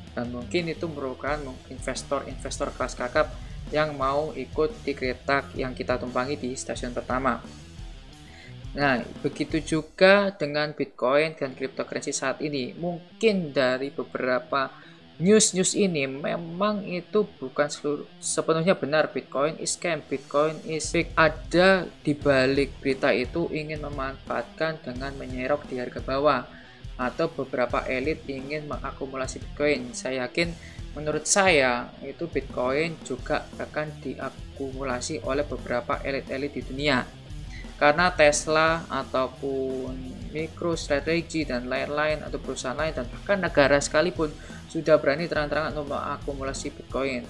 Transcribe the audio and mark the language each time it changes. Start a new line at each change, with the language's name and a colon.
Indonesian: Dan mungkin itu merupakan investor-investor kelas kakap yang mau ikut di kereta yang kita tumpangi di stasiun pertama. Nah, begitu juga dengan Bitcoin dan cryptocurrency saat ini. Mungkin dari beberapa news-news ini memang itu bukan sepenuhnya benar.
English: Bitcoin is scam, Bitcoin is fake.
Indonesian: Ada di balik berita itu ingin memanfaatkan dengan menyerok di harga bawah, atau beberapa elit ingin mengakumulasi Bitcoin. Saya yakin, menurut saya itu Bitcoin juga akan diakumulasi oleh beberapa elit-elit di dunia, karena Tesla ataupun MicroStrategy dan lain-lain, atau perusahaan lain dan bahkan negara sekalipun sudah berani terang-terangan untuk akumulasi Bitcoin.